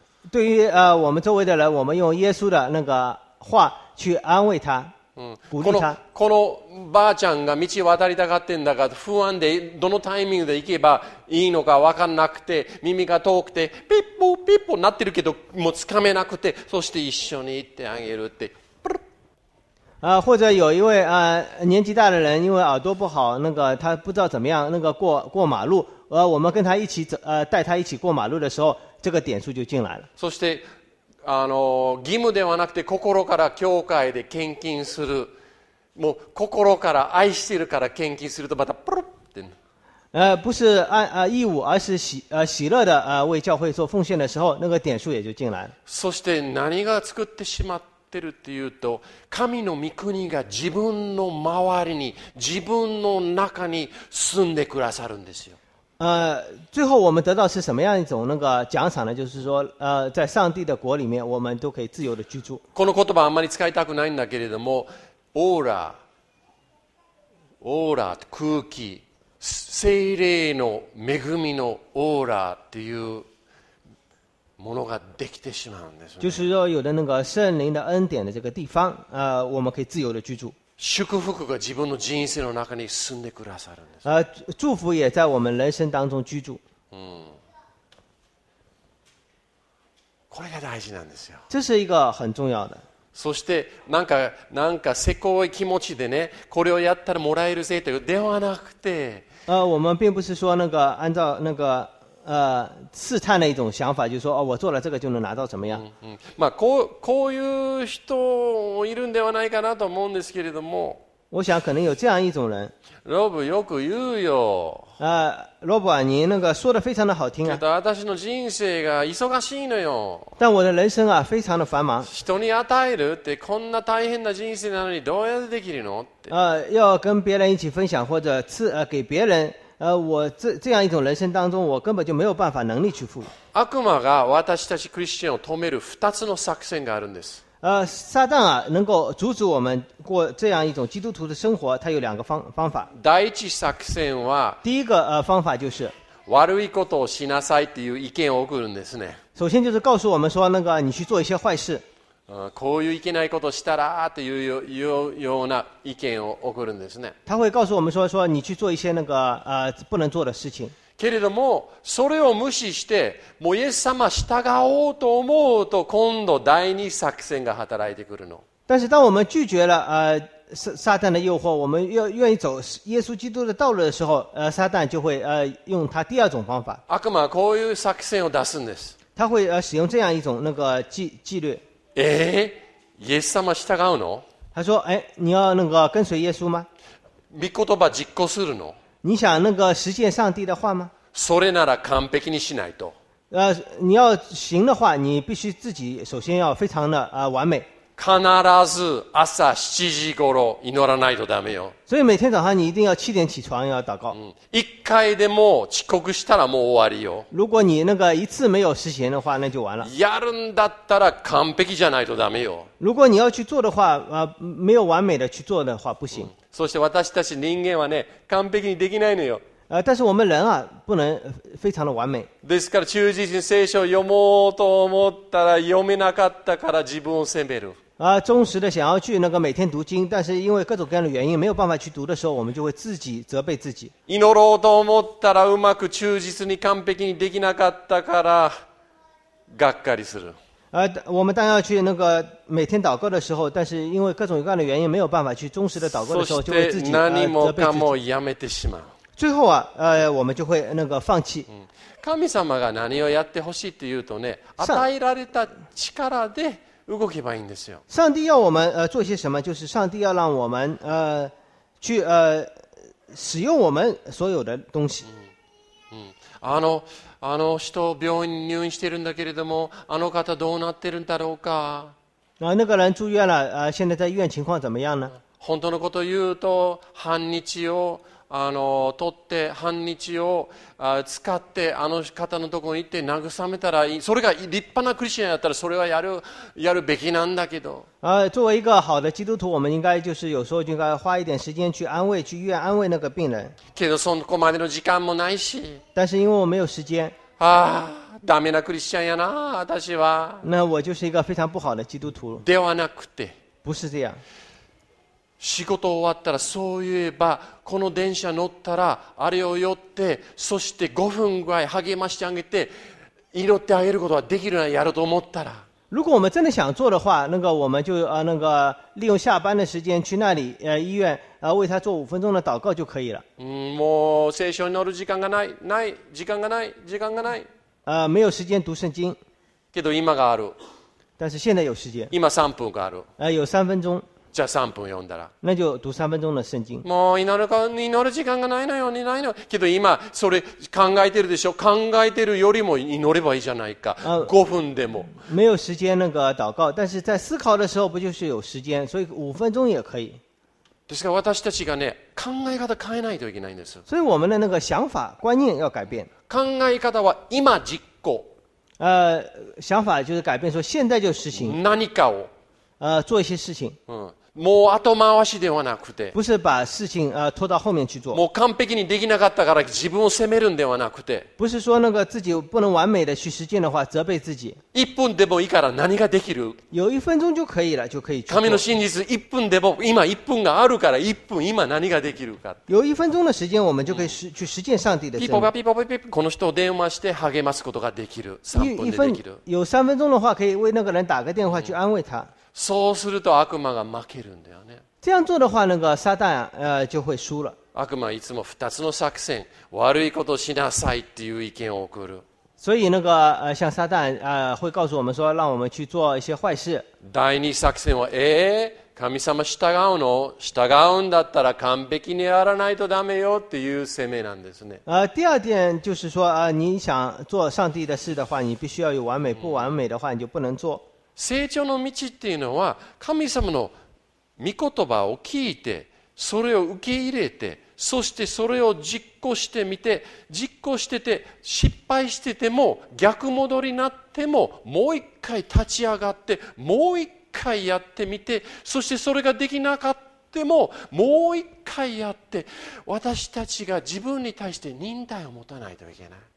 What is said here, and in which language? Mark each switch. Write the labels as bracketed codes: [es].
[zh] 对于我们周围的人，我们用耶稣的那个话去安慰他，鼓励他。 [ja] このばあちゃんが道渡りたがってんだが不安でどのタイミングで行けばいいのか分かんなくて耳が遠くてピッポピッポなってるけどもう掴めなくて、そして一緒に行ってあげるって。 [zh] 或者有一位年纪大的人，因为耳朵不好，那个他不知道怎么样那个过马路，我们跟他一起带他一起过马路的时候，这个点数就进来了。 [ja] そして義務ではなくて心から教会で献金する、もう心から愛しているから献金するとまたプルッって。 [zh] 不是义务，而是喜乐的为教会做奉献的时候，那个点数也就进来了。 [ja] そして何が作ってしまったってるっていうと、神の御国が自分の周りに、自分の中に住んでくださるんですよ。 [zh] 最后我们得到是什么样一种那个奖赏呢？就是说，在上帝的国里面，我们都可以自由的居住。 [ja] この言葉あんまり使いたくないんだけれども、オーラ、空気、聖霊の恵みのオーラっていう。ものができてしまうんですね。 [zh] 就是说有的那个圣灵的恩典的这个地方，我们可以自由的居住。 [ja] 祝福が自分の人生の中に住んでくださるんです。 [zh] 祝福也在我们人生当中居住。 [ja] これが大事なんですよ。 [zh] 这是一个很重要的。 [ja] そしてなんかせこい気持ちでね、これをやったらもらえるぜというではなくて、 [zh] 我们并不是说那个按照那个。试探的一种想法，就是说，我做了这个就能拿到怎么样？ [ja] まあ、こういう人いるんではないかなと思うんですけれども。 [zh] 我想可能有这样一种人。 [ja] ロブよく言うよ。 [zh] ロブは、你那个说的非常的好听啊。 [ja] けど私の人生が忙しいのよ。 [zh] 但我的人生啊，非常的繁忙。 [ja] 人に与えるってこんな大変な人生なのにどうやってできるのって。 [zh] 要跟别人一起分享或者给别人。我 这样一种人生当中，我根本就没有办法能力去付。 [ja] 悪魔が私たちクリスチャンを止める二つの作戦があるんです。 [zh] 撒旦啊，能够阻止我们过这样一种基督徒的生活，他有两个方法。 [ja] 第一作戦は、 [zh] 第一个方法就是 [ja] 悪いことをしなさいっていう意見を送るんですね。 [zh] 首先就是告诉我们说，那个你去做一些坏事。 [ja] こういういけないことをしたらというような意見を送るんですね。 [zh] 他会告诉我们说你去做一些那个不能做的事情。 [ja] けれどもそれを無視してもうイエス様従おうと思うと今度第二作戦が働いてくるの。 [zh] 但是当我们拒绝了撒旦的诱惑，我们愿意走耶稣基督的道路的时候，撒旦就会用他第二种方法。 [ja] 悪魔はこういう作戦を出すんです。 [zh] 他会使用这样一种那个纪律。 [ja] イエス様従うの？ [zh] 他说：“哎，你要那个跟随耶稣吗？” [ja] 御言葉実行するの？ [zh] 你想那个实践上帝的话吗？ [ja] それなら完璧にしないと。 [zh] 你要行的话，你必须自己首先要非常的完美。 [ja] 必ず朝7時ごろ祈らないとダメよ。 [zh] 所以每天早上你一定要7点起床要祷告。 [ja] 一回でも遅刻したらもう終わりよ。 [zh] 如果你那个一次没有实行的话，那就完了。 [ja] やるんだったら完璧じゃないとダメよ。 [zh] 如果你要去做的话，没有完美的去做的话不行。 [ja] そして私たち人間はね、完璧にできないのよ。 [zh] 但是我们人啊，不能非常的完美。 [ja] ですから忠実に聖書を読もうと思ったら読めなかったから自分を責める。 [zh] 忠实的想要去那个每天读经，但是因为各种各样的原因没有办法去读的时候，我们就会自己责备自己。 [ja] 祈ろうと思ったらうまく忠実に完璧にできなかったからがっかりする。 [zh] 我们当要去那个每天祷告的时候，但是因为各种各样的原因没有办法去忠实的祷告的时候，就会自己责备自己。何 [ja] もやめてしまう。 [zh] 最后啊，我们就会那个放弃。 [ja] 神様が何をやってほしいというとね、与えられた力で動けばいいんですよ。 [zh] 上帝要我们做些什么，就是上帝要让我们去使用我们所有的东西。 [ja] あの人病院入院してるんだけれども、あの方どうなってるんだろうか。 [zh] あ、那个人住院了，现在在医院情况怎么样呢？ [ja] 本当のことを言うと、半日を取って半日を使ってあの方のところに行って慰めたらいい。それが立派なクリスチャンだったらそれはやるべきなんだけど。 [zh] 作为一个好的基督徒，我们应该就是有时候应该花一点时间去安慰，去医院安慰那个病人。 [ja] けどそこまでの時間もないし。 [zh] 但是因为我没有时间。 [ja] 啊，ダメなクリスチャンやな、私は。 [zh] 那我就是一个非常不好的基督徒。 [ja] ではなくて。 [zh] 不是这样。 [ja] 仕事終わったらそういえばこの電車乗ったらあれを寄ってそして5分ぐらい励ましてあげて祈ってあげることはできるなやると思ったら [zh] 如果我们真的想做的话那个我们就那个利用下班的时间去那里医院为他做5分钟的祷告就可以了 [ja] もう聖書に乗る時間がないない時間がない時間がない [zh] 没有时间读圣经 [ja] けど今がある [zh] 但是现在有时间 [ja] 今3分がある [zh] 有3分钟 [ja] じゃあ3分読んだら。 [zh] 那就读3分钟的圣经。 [ja] もう祈る時間がないのよ、ないの。けど今、それ考えてるでしょ。考えてるよりも祈ればいいじゃないか。 5分でも。 [zh] 没有时间那个祷告。但是在思考的时候不就是有时间。所以5分钟也可以。 [ja] ですから私たちがね、考え方変えないといけないんです。 [zh] 所以我们的那个想法、观念要改变。 [ja] 考え方は今実行。 [zh] 想法就是改变。说现在就实行。 [ja] 何かを。 [zh] 做一些事情。 [ja] もう後回しではなくて、 [zh] 不是把事情拖到后面去做。 [ja] もう完璧にできなかったから自分を責めるんではなくて、 [zh] 不是说那个自己不能完美的去实践的话责备自己。 [ja] 一分でもいいから何ができる？ [zh] 有一分钟就可以了，就可以去做。 [ja] 神の真実一分でも今一分があるから一分今何ができるか。 [zh] 有一分钟的时间，我们就可以去实践上帝的。 [ja] ピポパピポパピポ、この人を電話して励ますことができる。三分でできる。 [zh] 有三分钟的话，可以为那个人打个电话去安慰他。 [ja] そうすると悪魔が負けるんだよね。 [zh] 这样做的话，那个撒旦就会输了。 [ja] 悪魔いつも二つの作戦、悪いことしなさいっていう意見を送る。 [zh] 所以那个像撒旦会告诉我们说，让我们去做一些坏事。 [ja] 第二作戦は神様従うの？従うんだったら完璧にやらないとダメよっていう責めなんですね。 [zh] 第二点就是说你想做上帝的事的话，你必须要有完美，不完美的话你就不能做。 [ja] 成長の道っていうのは神様の御言葉を聞いてそれを受け入れてそしてそれを実行してみて実行してて失敗してても逆戻りになってももう一回立ち上がってもう一回やってみてそしてそれができなかったももう一回やって私たちが自分に対して忍耐を持たないといけない。